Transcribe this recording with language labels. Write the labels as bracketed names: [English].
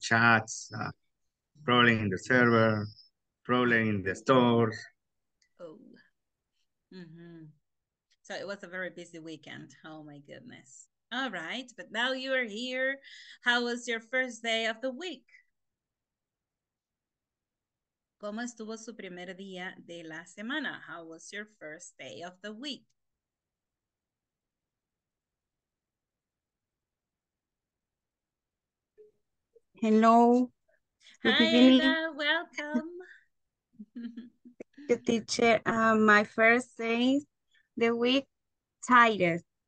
[English] chats, problem in the server, problem in the stores. So it was a very busy weekend. Oh my goodness. All right, but now you are here. How was your first day of the week? [Spanish] ¿Cómo estuvo su primer día de la semana? [English] How was your first day of the week? Hello, good Hi, evening. Ada, welcome. You, teacher. My first day, the week, tired.